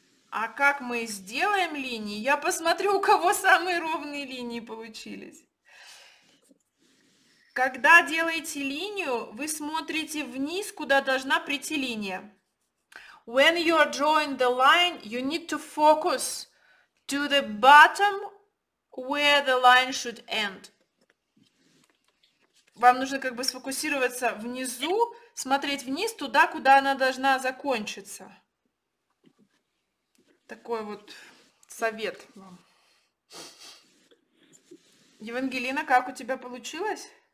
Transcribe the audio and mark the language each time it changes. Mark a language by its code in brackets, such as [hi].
[ru] А как мы сделаем линии? Я посмотрю, у кого самые ровные линии получились. Когда делаете линию, вы смотрите вниз, куда должна прийти линия. [en] When you are drawing the line, you need to focus to the bottom where the line should end. [ru] Вам нужно как бы сфокусироваться внизу, смотреть вниз туда, куда она должна закончиться. Такой вот совет вам. Евангелина, как у тебя получилось?